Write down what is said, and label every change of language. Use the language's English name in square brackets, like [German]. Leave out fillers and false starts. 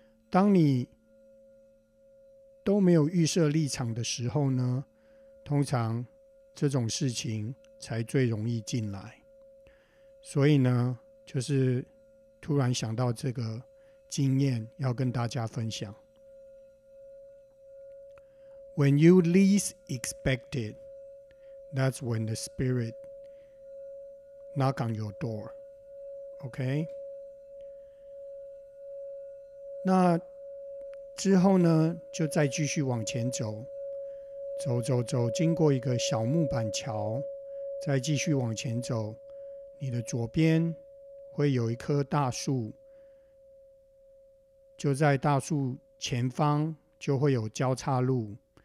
[Chinese] 当你都没有预设立场的时候呢，通常这种事情才最容易进来。所以呢，就是突然想到这个经验要跟大家分享。 [English] When you least expect it, that's when the spiritKnock on your door, okay? [Chinese] 那之后呢，就再继续往前走，走走走，经过一个小木板桥，再继续往前走，你的左边会有一棵大树，就在大树前方就会有交叉路。